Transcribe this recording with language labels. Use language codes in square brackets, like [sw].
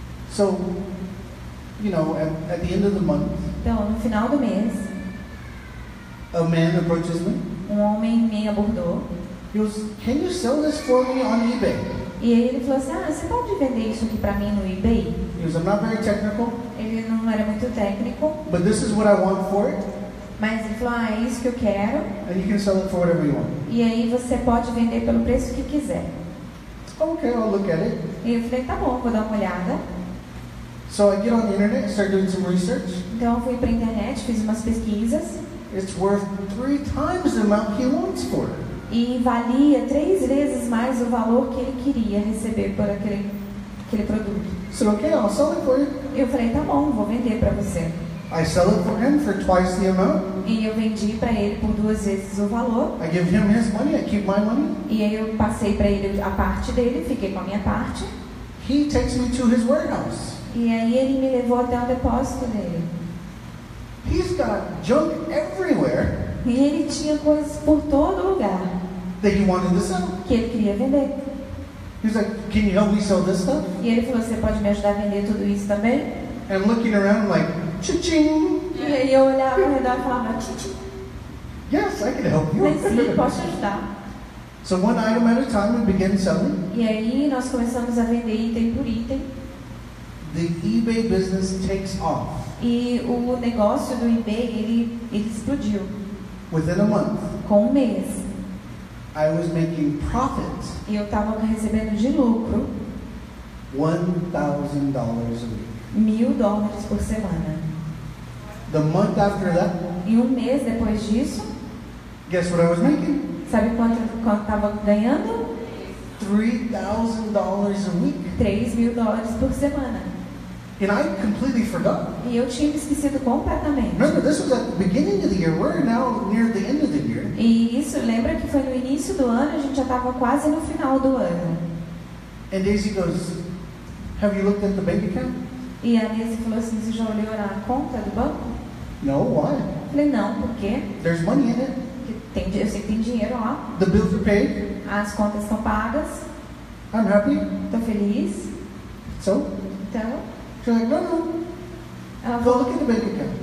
[en] So, you know, at the end of the month, [pt] então, no final do mês, [en] a man approaches me. [pt] Um homem me abordou. [en] He goes, can you sell this for me on eBay? [pt] E aí ele falou assim, ah, você pode vender isso aqui para mim no eBay? [en] He goes, I'm not very technical. [pt] Ele não era muito técnico. [en] But this is what I want for it. [pt] Mas ele falou, ah, é isso que eu quero. [en] And you can sell it for whatever you want. [pt] E aí você pode vender pelo preço que quiser. [en] Okay, I'll look at it. [pt] E eu falei, tá bom, vou dar uma olhada. [en] So I get on the internet, start doing some research. [pt] Então eu fui para a internet, fiz umas pesquisas. [en] It's worth 3 times the amount he wants for it. [pt] E valia 3 vezes mais o valor que ele queria receber por aquele produto. [en] So, okay, I'll sell it for you. [pt] Eu falei, tá bom, vou vender para você. [en] I sell it for him for twice the amount. [pt] E eu vendi para ele por 2 vezes o valor. [en] I give him his money, I keep my money. [pt] E aí eu passei para ele a parte dele, fiquei com a minha parte. [en] He takes me to his warehouse. [pt] E aí ele me levou até o depósito dele. [en] He's got junk everywhere. [pt] E ele tinha coisas por todo lugar. [en] That he wanted to sell. [pt] Que ele queria vender. [en] He was like, can you help me sell this stuff? [pt] E ele falou, você pode me ajudar a vender tudo isso também? [en] And looking around, I'm like, cha-ching. [pt] E aí eu olhava ao redor e falava, cha-ching. [en] Yes, I can help you. [pt] Mas sim, posso ajudar. [en] So one item at a time, we began selling. [pt] E aí nós começamos a vender item por item. [en] The eBay business takes off. [pt] E o negócio do eBay, ele explodiu. [en] Within a month, [pt] com um mês, [en] I was making profit. [pt] E eu estava recebendo de lucro. [en] $1,000 a week. [pt] $1,000 por semana. [en] The month after that. [pt] E um mês depois disso. [en] Guess what I was making? [pt] Sabe quanto estava ganhando? [en] $3,000 a week. [pt] $3,000 por semana. [en] And I completely forgot. [pt] E eu tinha me esquecido completamente. [en] Remember, this was at the beginning of the year. We're now near the end of the year. [pt] E isso, lembra que foi no início do ano, a gente já estava quase no final do ano. [en] And Daisy goes, have you looked at the bank account? [pt] E a Daisy falou assim, você já olhou na conta do banco? [en] No, why? [pt] Falei, não, por quê? [en] There's money in it. [pt] Tem, eu sei que tem dinheiro lá. [en] The bills are paid. [pt] As contas estão pagas. [en] I'm happy. [pt] Estou feliz. [en] So? [pt] Então... [en] She's like, no. Go look at the bank account.